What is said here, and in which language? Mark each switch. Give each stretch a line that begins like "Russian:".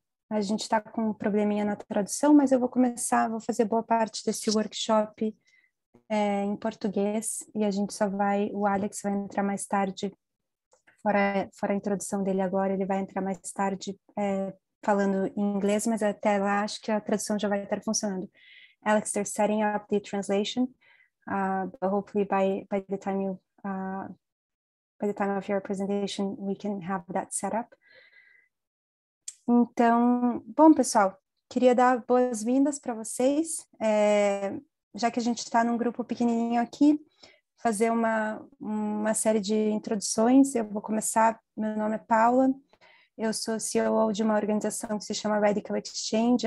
Portuguese: A gente está com um probleminha na tradução, mas eu vou começar, vou fazer boa parte desse workshop. Em português, e a gente só vai. O Alex vai entrar mais tarde, fora a introdução dele agora. Ele vai entrar mais tarde falando em inglês, mas até lá acho que a tradução já vai estar funcionando.
English: Alex, they're setting up the translation, but hopefully by the time of your presentation we can have that set up.
Portuguese: Então, bom, pessoal, queria dar boas-vindas para vocês. Já que a gente está num grupo pequenininho aqui, fazer uma série de introduções. Eu vou começar. Meu nome é Paula, eu sou CEO de uma organização que se chama Radical Exchange.